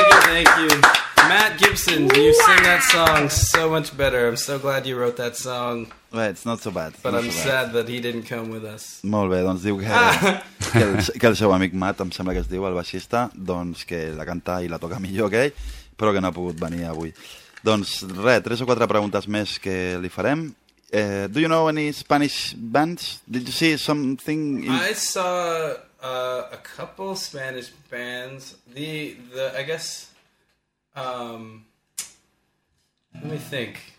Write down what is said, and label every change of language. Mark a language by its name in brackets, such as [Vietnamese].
[English] Thank you. Matt Gibson, you sing that song so much better. I'm so glad you wrote that song. Well, it's not so bad. But I'm so sad bad. That he didn't come with us. [Catalan] Molt bé, doncs diu que, que el seu amic Matt, em sembla que es diu, el baixista, doncs que la canta i la toca millor que ell, però que no ha pogut venir avui. Doncs res, tres o quatre preguntes més que li farem. [English] Do you know any Spanish bands? Did you see something? I saw a couple Spanish bands. The I guess... let me think.